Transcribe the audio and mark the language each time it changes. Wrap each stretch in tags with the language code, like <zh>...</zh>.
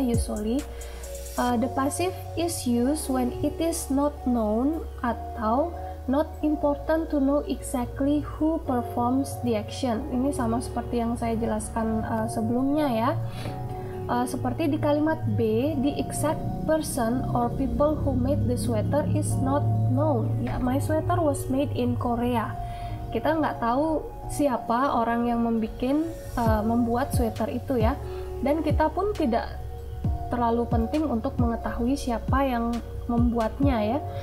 <en>Usually the passive is used when it is not known atau Not important to know exactly who performs the action.</en> <id>Ini sama seperti yang saya jelaskan sebelumnya ya. Seperti di kalimat B,</id> <en>the exact person or people who made the sweater is not known. Ya, my sweater was made in Korea.</en> <id>Kita nggak tahu siapa orang yang membuat sweater itu ya. Dan kita pun tidak terlalu penting untuk mengetahui siapa yang membuatnya ya.</id>